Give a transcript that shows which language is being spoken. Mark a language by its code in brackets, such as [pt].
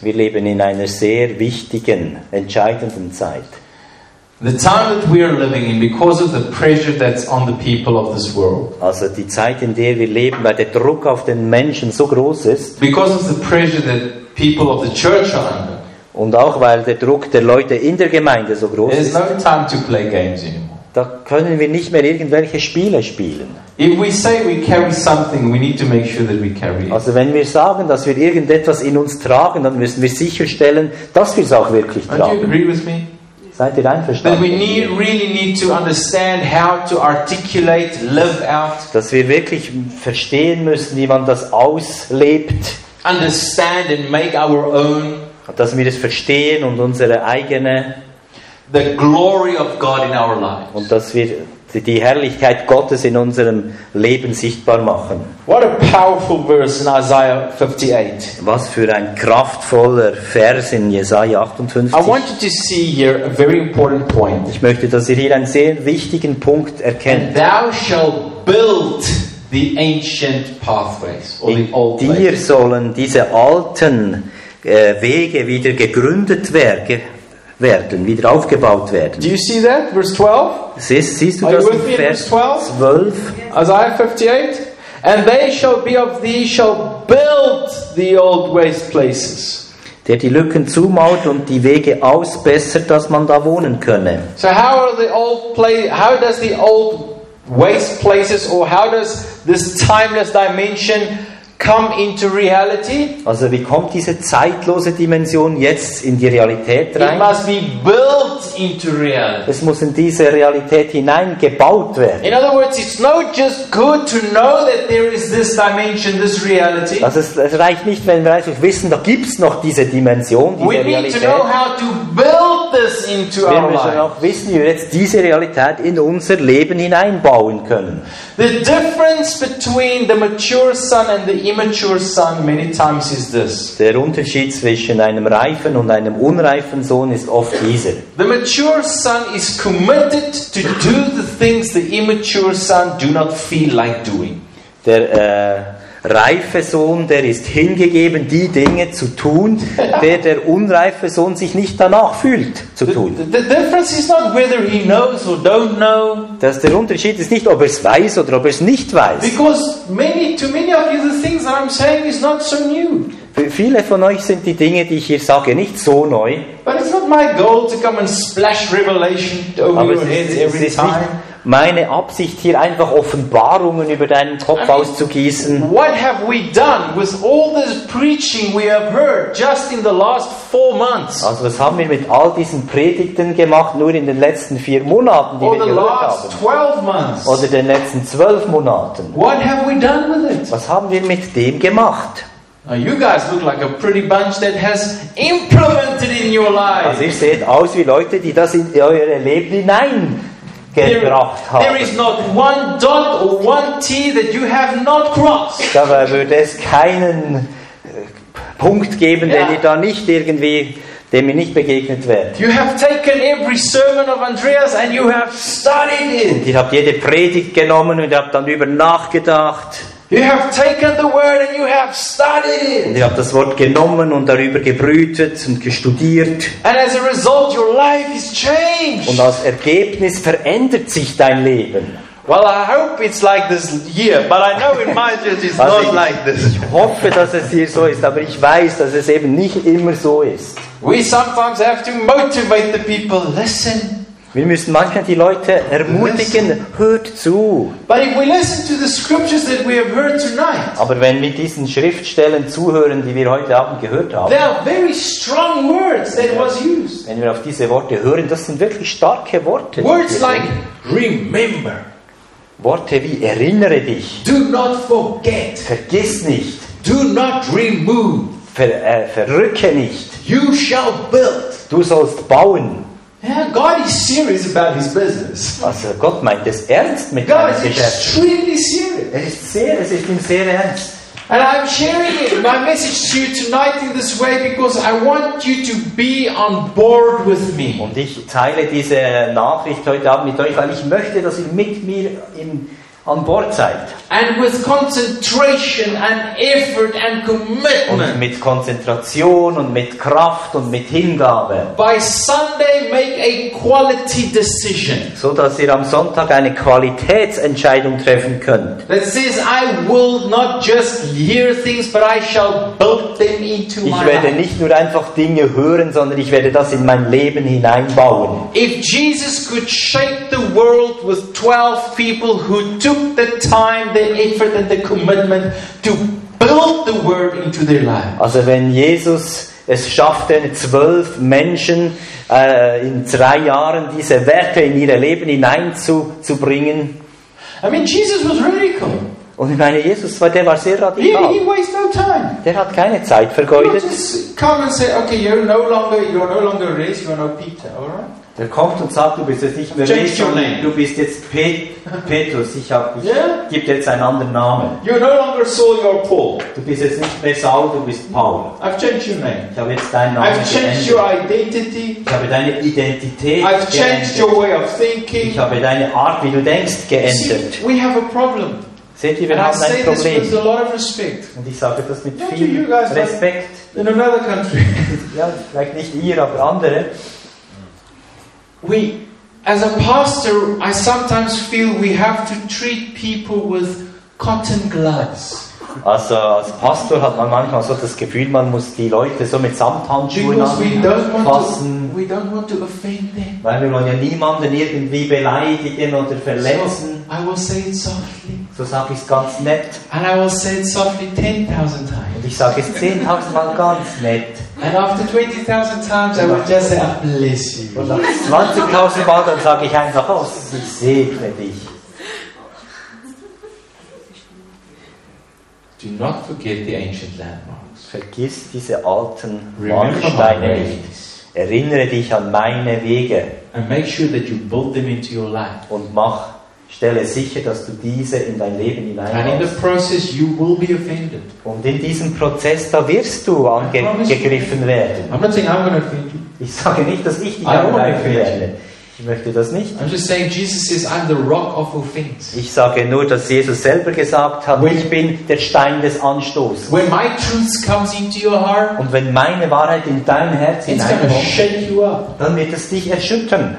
[de] Wir leben in einer sehr wichtigen, entscheidenden Zeit. [en] The time that we are living in because of the pressure that's on the people of this world. [de] Also die Zeit, in der wir leben, weil der Druck auf den Menschen so groß ist. [en] Because of the pressure that people of the church are under. [de] Und auch weil der Druck der Leute in der Gemeinde so groß ist. [en] There's no time to play games anymore. [de] Da können wir nicht mehr irgendwelche Spiele spielen. [en] If we say we carry something, we need to make sure that we carry it. [de] Also wenn wir sagen, dass wir irgendetwas in uns tragen, dann müssen wir sicherstellen, dass wir es auch wirklich tragen. [en] Don't you agree with me? [de] Seid ihr einverstanden? [en] We really need to understand how to articulate, live out. [de] Dass wir wirklich verstehen müssen, wie man das auslebt. [en] Understand and make our own. [de] Dass wir das verstehen und unsere eigene. [en] The glory of God in our lives. [de] Und dass wir die Herrlichkeit Gottes in unserem Leben sichtbar machen. [en] What a powerful verse in Isaiah 58. [de] Was für ein kraftvoller Vers in Jesaja 58. [en] I want you to see here a very important point. [de] Ich möchte, dass ihr hier einen sehr wichtigen Punkt erkennt. [en] Thou shalt build the ancient pathways or the old places. [de] Dir sollen diese alten Wege wieder gegründet werden, wieder aufgebaut werden. [en] Do you see that? Verse 12? [de] Siehst du das in Vers 12? [en] Isaiah 58? And they shall be of thee, shall build the old waste places. [de] Der die Lücken zumaut und die Wege ausbessert, dass man da wohnen könne. [en] So how does the old waste places or how does this timeless dimension come into reality? [de] Also wie kommt diese zeitlose Dimension jetzt in die Realität rein? [en] It must be built into reality. [de] Es muss in diese Realität hineingebaut werden. [en] In other words, it's not just good to know that there is this dimension, this reality. [de] Also es reicht nicht, wenn wir einfach wissen, da gibt's noch diese Dimension, diese Realität. [en] to know how to build this into our lives. [de] Wir müssen auch wissen, wie wir jetzt diese Realität in unser Leben hineinbauen können. [en] The difference between the mature son and the immature son many times is this. [de] Der Unterschied zwischen einem reifen und einem unreifen Sohn ist oft dieser. [en] The mature son is committed to do the things the immature son do not feel like doing. [de] Der reife Sohn, der ist hingegeben, die Dinge zu tun, der unreife Sohn sich nicht danach fühlt, zu tun. [en] The difference is not whether he knows or don't know. [de] Dass der Unterschied ist nicht, ob er es weiß oder ob er es nicht weiß. [en] Because many, too many of you, the things that I'm saying is not so new. [de] Für viele von euch sind die Dinge, die ich hier sage, nicht so neu. [en] But it's not my goal to come and splash revelation over [de] Aber [en] your heads every [de] es ist [en] time. [de] Nicht meine Absicht, hier einfach Offenbarungen über deinen Kopf auszugießen. [en] What have we done with all this preaching we have heard just in the last 4 months? [de] Also, was haben wir mit all diesen Predigten gemacht, nur in den letzten 4 Monaten, die [en] Or [de] wir gehört haben? [en] 12 months. [de] Oder den letzten 12 Monaten? [en] What have we done with it? [de] Was haben wir mit dem gemacht? [en] You guys look like a pretty bunch that has implemented in your life. [de] Also, ihr seht aus wie Leute, die das in euer Leben hinein. [en] There is not one dot or one T that you have not crossed. [de] Dabei würde es keinen Punkt geben, den ihr da nicht irgendwie, dem ihr nicht begegnet werdet. [en] You have taken every sermon of Andreas and you have studied it. [de] Ihr habt jede Predigt genommen und habt dann über nachgedacht. [en] You have taken the word and you have studied it. [de] Und ihr habt das Wort genommen und darüber gebrütet und gestudiert. [en] And as a result, your life is changed. [de] Und als Ergebnis verändert sich dein Leben. [en] Well, I hope it's like this here, but I know in my church it's [de] also [en] not like this. [de] Ich hoffe, dass es hier so ist, aber ich weiß, dass es eben nicht immer so ist. [en] We sometimes have to motivate the people. Listen. [de] Wir müssen manchmal die Leute ermutigen, hört zu. [en] But if we listen to the scriptures that we have heard tonight, [de] aber wenn wir diesen Schriftstellen zuhören, die wir heute Abend gehört haben, [en] they are very strong words that was used. [de] Wenn wir auf diese Worte hören, das sind wirklich starke Worte. [en] Words like remember. [de] Worte wie erinnere dich. [en] Do not forget. [de] Vergiss nicht. [en] Do not remove. [de] Verrücke nicht. [en] You shall build. [de] Du sollst bauen. [en] Yeah, God is serious about his business. [de] Also Gott meint es ernst mit [en] God [de] seinem Geschäft. [en] God is extremely serious. [de] Es ist ihm sehr ernst. [en] And I'm sharing it, my message to you tonight in this way because I want you to be on board with me. [de] Und ich teile diese Nachricht heute Abend mit euch, weil ich möchte, dass ihr mit mir im an Bord seid. [en] And with concentration and effort and commitment. [de] Und mit Konzentration und mit Kraft und mit Hingabe. [en] By Sunday make a quality decision. [de] So dass ihr am Sonntag eine Qualitätsentscheidung treffen könnt. [en] That says I will not just hear things, but I shall build them into my life. [de] Ich werde nicht nur einfach Dinge hören, sondern ich werde das in mein Leben hineinbauen. [en] If Jesus could shape the world with 12 people who took the time, the effort and the commitment to build the word into their life. [de] Also wenn Jesus es schaffte, 12 Menschen in 3 Jahren diese Werte in ihr Leben hineinzubringen. [en] I mean, Jesus was radical. [de] Und ich meine, Jesus, der war sehr radikal. [en] He wastes no time. [de] Der hat keine Zeit vergeudet. [en] Come and say, okay, you're no longer Rez, you're no Peter, all right? [de] Der kommt und sagt, du bist jetzt nicht mehr Jesus, du bist jetzt Petrus. Ich gebe dir jetzt einen anderen Namen. [en] You're no longer Saul, you're Paul. [de] Du bist jetzt nicht mehr Saul, du bist Paul. [en] I've changed your name. [de] Ich habe jetzt deinen Namen [en] I've changed [de] geändert. [en] Your identity. [de] Ich habe deine Identität [en] I've Changed your way of thinking. [de] Ich habe deine Art, wie du denkst, geändert. [en] See, we have a problem. [de] Seht ihr, wir [en] And [de] haben [en] I say [de] ein Problem. [en] This with a lot of respect. [de] Und ich sage das mit [en] Not [de] viel [en] you guys, [de] Respekt. [en] In another country. [de] Ja, vielleicht nicht ihr, aber andere. [en] We, as a pastor, I sometimes feel we have to treat people with cotton gloves. [de] Also als Pastor hat man manchmal so das Gefühl, man muss die Leute so mit Samthandschuhen anfassen. [en] We don't want to offend them. [de] Weil wir wollen ja niemanden irgendwie beleidigen oder verletzen. [en] So, I will say it softly. [de] So sage ich es ganz nett. [en] And I will say it softly 10,000 times. [de] Und ich sage es 10,000 Mal ganz nett. [en] And after 20,000 times, I would just say, I bless you. [de] Und nach 20,000 Mal, dann sage ich einfach, oh, ich segne dich. [en] Do not forget the ancient landmarks. [de] Vergiss diese alten Marksteine nicht. Erinnere dich an meine Wege. [en] And make sure that you build them into your life. [de] Und mach, stelle sicher, dass du diese in dein Leben hineinbringst. [en] And in the process you will be offended. [de] Und in diesem Prozess, da wirst du angegriffen werden. [en] I'm not saying I'm going to offend you. [de] Ich sage nicht, dass ich dich angreifen werde. Ich möchte das nicht. [en] I'm just saying, Jesus says, I'm the rock of all things. [de] Ich sage nur, dass Jesus selber gesagt hat, ich bin der Stein des Anstoßes. [en] When my truth comes into your heart, [de] und wenn meine Wahrheit in dein Herz hineinkommt, dann wird es dich erschüttern.